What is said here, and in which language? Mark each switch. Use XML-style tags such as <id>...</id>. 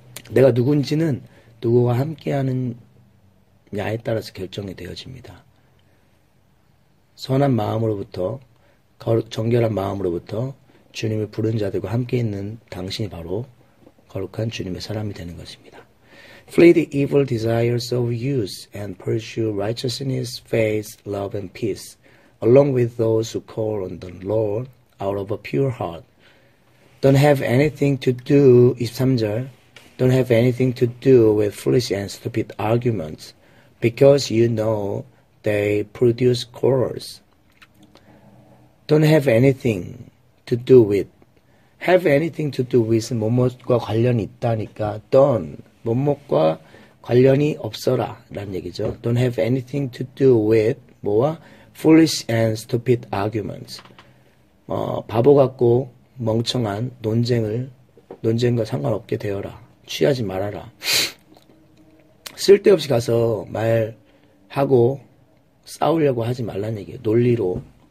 <ko>내가 누군지는 누구와 함께 하느냐에 따라서 결정이 되어집니다. 선한 마음으로부터, 정결한 마음으로부터 주님을 부른 자들과 함께 있는 당신이 바로 거룩한 주님의 사람이 되는 것입니다.</ko> <en>Flee the evil desires of youth and pursue righteousness, faith, love and peace along with those who call on the Lord out of a pure heart. Don't have anything to do,</en> <ko>23절,</ko> <en>don't have anything to do with foolish and stupid arguments because you know they produce quarrels. Don't have anything to do with. Have anything to do with</en> <ko>뭐뭐과 관련이 있다니까. Don't 뭐뭐과 관련이 없어라 라는 얘기죠.</ko> <en>Don't have anything to do with 뭐와 foolish and stupid arguments.</en> <ko>바보 같고 멍청한 논쟁과 상관없게 되어라. 취하지 말아라. 쓸데없이 가서 말하고 싸우려고 하지 말라는 얘기예요. 논리로.</ko>